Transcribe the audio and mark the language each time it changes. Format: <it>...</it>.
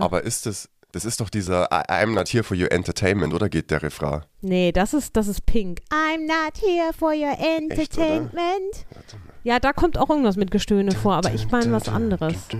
<de>Aber ist das ist doch dieser</de> <en>I'm not here for your entertainment,</en> <de>oder geht der Refrain? Nee, das ist Pink.</de> <en>I'm not here for your entertainment.</en> <de>Echt, oder? Ja, da kommt auch irgendwas mit Gestöhne vor, aber ich meine was anderes.</de>